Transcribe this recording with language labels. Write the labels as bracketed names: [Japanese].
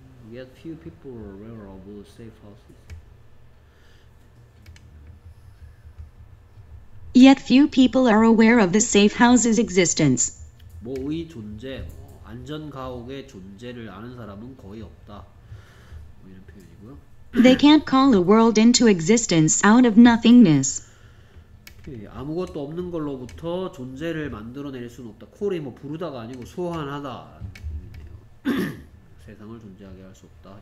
[English] yet few people are aware of safe houses yet few people are aware of the safe houses existence [Korean] 뭐의 존재 안전 가옥의 존재를 아는 사람은 거의 없다 뭐 이런 표현이고요 [English] They can't call a world into existence out of nothingness. [Korean] 아무것도 없는 걸로부터 존재를 만들어낼 수는 없다. 콜이 뭐 부르다가 아니고 소환하다. 세상을 존재하게 할 수 없다.